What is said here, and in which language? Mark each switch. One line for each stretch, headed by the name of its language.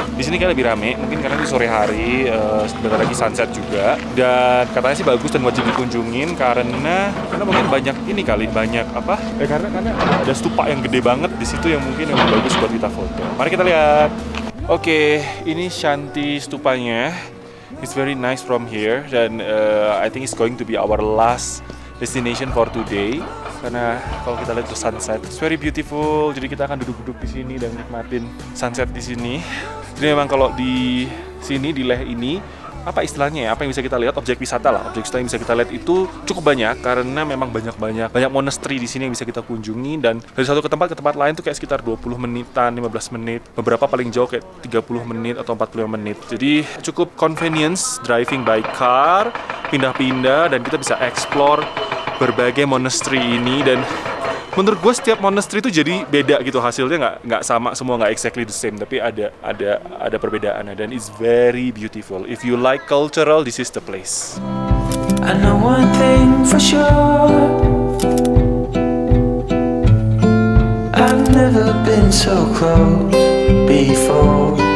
Indonesian: Di sini kan lebih rame, mungkin karena itu sore hari, sebentar lagi sunset juga. Dan katanya sih bagus dan wajib dikunjungin karena mungkin banyak ini kali, banyak apa? Karena ada stupa yang gede banget di situ yang mungkin yang bagus buat kita foto. Mari kita lihat. Oke, ini Shanti Stupanya.
English: It's very nice from here
Indonesian: dan
English: I think it's going to be our last destination for today.
Indonesian: Karena kalau kita lihat itu sunset,
English: it's very beautiful.
Indonesian: Jadi kita akan duduk-duduk di sini dan nikmatin sunset di sini. Jadi memang kalau di sini, di Leh ini, apa istilahnya ya, apa yang bisa kita lihat, objek wisata lah. Objek wisata yang bisa kita lihat itu cukup banyak karena memang banyak monastery di sini yang bisa kita kunjungi. Dan dari satu ke tempat lain tuh kayak sekitar 20 menitan, 15 menit, beberapa paling jauh kayak 30 menit atau 45 menit. Jadi cukup
English: convenience driving by car,
Indonesian: pindah-pindah, dan kita bisa explore berbagai monastery ini. Dan menurut gue setiap monastery itu jadi beda gitu hasilnya, nggak sama semua, nggak
English: exactly the same,
Indonesian: tapi ada perbedaannya. Dan
English: it's very beautiful. If you like cultural, this is the place. I know one thing for sure, I've never been so close before.